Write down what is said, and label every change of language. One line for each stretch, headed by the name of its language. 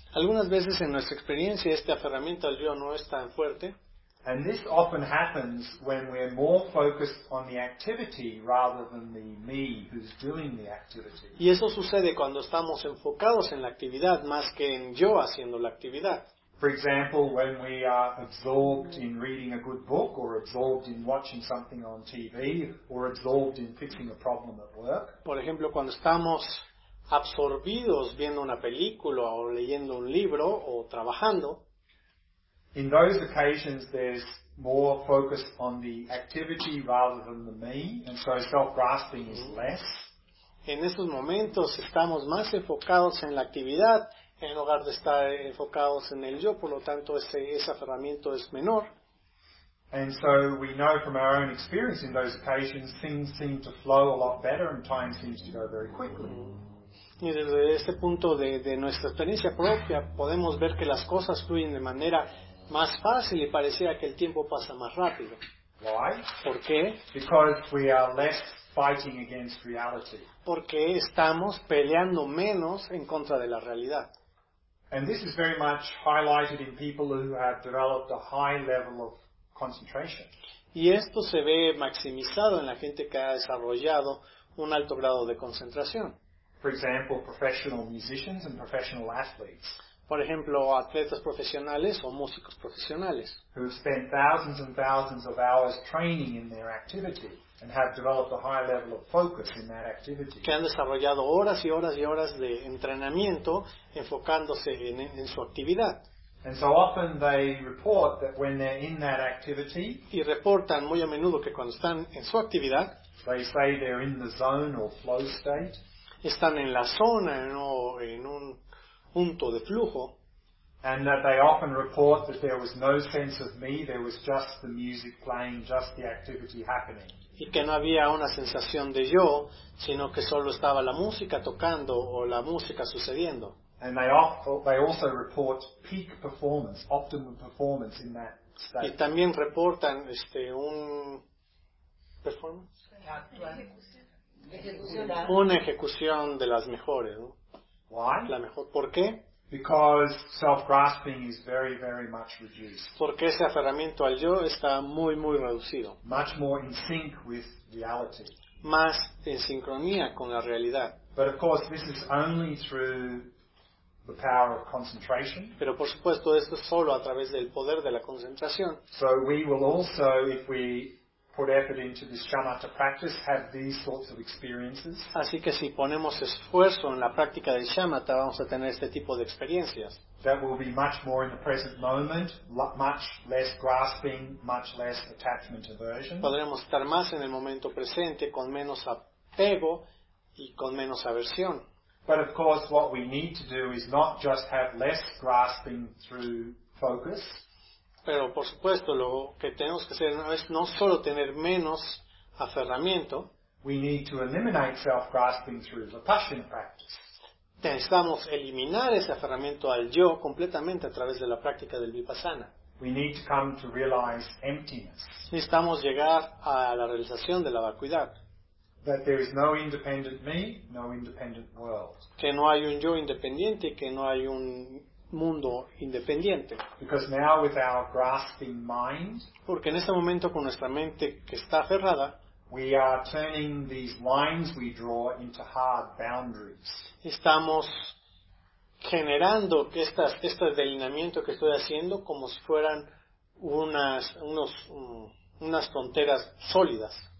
Spanish: Algunas veces en nuestra experiencia este aferramiento al yo no es tan fuerte.
English: And this often happens when we're more focused on the activity rather than the me who's doing the activity.
Spanish: Y eso sucede cuando estamos enfocados en la actividad más que en yo haciendo la actividad.
English: For example, when we are absorbed in reading a good book, or absorbed in watching something on TV, or absorbed in fixing a problem at work.
Spanish: Por ejemplo, cuando estamos absorbidos viendo una película o leyendo un libro o trabajando.
English: In those occasions, there's more focus on the activity rather than the me, and so self-grasping is less.
Spanish: En esos momentos estamos más enfocados en la actividad en lugar de estar enfocados en el yo, por lo tanto ese aferramiento es menor.
English: And so we know from our own experience in those occasions, things seem to flow a lot better and time seems to go very quickly.
Spanish: Y desde este punto de nuestra experiencia propia, podemos ver que las cosas fluyen de manera más fácil y pareciera que el tiempo pasa más rápido.
English: Why?
Spanish: ¿Por qué?
English: Because we are less fighting against reality.
Spanish: Porque estamos peleando menos en contra de la realidad.
English: And this is very much highlighted in people who have developed a high level of concentration.
Spanish: Y esto se ve maximizado en la gente que ha desarrollado un alto grado de concentración.
English: For example, professional musicians and professional athletes.
Spanish: Por ejemplo, atletas profesionales o músicos profesionales.
English: Who have spent thousands and thousands of hours training in their activity and have developed a high level of focus in that activity.
Spanish: Que han desarrollado horas y horas y horas de entrenamiento enfocándose en su actividad.
English: And so often they report that when they're in that activity,
Spanish: y reportan muy a menudo que cuando están en su actividad,
English: they say they're in the zone or flow state.
Spanish: Están en la zona, ¿no? En un punto de flujo.
English: And that they often report that there was no sense of me, there was just the music playing, just the activity happening.
Spanish: Y que no había una sensación de yo, sino que solo estaba la música tocando o la música sucediendo.
English: And they also report peak performance, optimum performance in that state.
Spanish: Y también reportan un una ejecución de las mejores, ¿no?
English: Why?
Spanish: La mejor. ¿Por qué?
English: Because self-grasping is very, very much reduced.
Spanish: Porque ese aferramiento al yo está muy, muy reducido.
English: Much more in sync with reality.
Spanish: Más en sincronía con la realidad.
English: But of course, this is only through the power of concentration.
Spanish: Pero por supuesto, esto es solo a través del poder de la concentración.
English: So we will also, if we put effort into this shamatha practice, have these sorts of experiences.
Spanish: Así que si ponemos esfuerzo en la práctica del shamatha, vamos a tener este tipo de experiencias.
English: That will be much more in the present moment, much less grasping, much less attachment aversion.
Spanish: Podremos estar más en el momento presente, con menos apego y con menos aversión.
English: But of course, what we need to do is not just have less grasping through focus.
Spanish: Pero, por supuesto, lo que tenemos que hacer es no solo tener menos aferramiento.
English: We need to eliminate self-grasping through vipassana practice.
Spanish: Necesitamos eliminar ese aferramiento al yo completamente a través de la práctica del vipassana.
English: We need to come to realize emptiness.
Spanish: Necesitamos llegar a la realización de la vacuidad.
English: That there is no independent me, no independent world.
Spanish: Que no hay un yo independiente, que no hay un mundo independiente.
English: Because now with our grasping mind,
Spanish: porque en este momento con nuestra mente que está aferrada,
English: we are turning these lines we draw into hard boundaries.
Spanish: Estamos generando este delineamiento que estoy haciendo como si fueran unas fronteras sólidas.